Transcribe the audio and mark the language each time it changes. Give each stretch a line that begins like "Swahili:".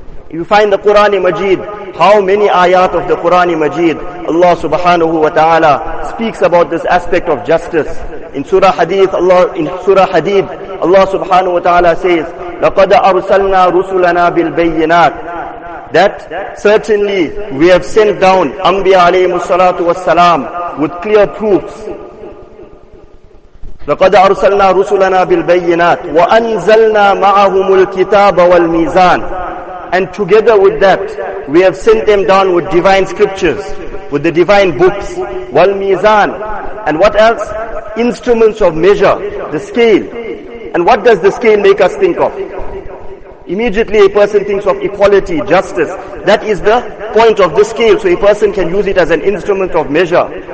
English: You find the Qur'an-i Majeed, how many ayat of the Qur'an-i Majeed, Allah subhanahu wa ta'ala speaks about this aspect of justice. In Surah Hadid, Allah subhanahu wa ta'ala says,
Arabic: لَقَدْ أَرْسَلْنَا رُسُلَنَا بِالْبَيِّنَاتِ.
English: that certainly we have sent down Anbiya alayhi salatu was salam with clear proofs.
Arabic: لقد أرسلنا رسلنا بالبينات وأنزلنا معهم الكتاب والميزان.
English: And together with that, we have sent them down with divine scriptures, with the divine books, والميزان. And what else? Instruments of measure, the scale. And what does the scale make us think of? Immediately a person thinks of equality, justice. That is the point of the scale. So a person can use it as an instrument of measure.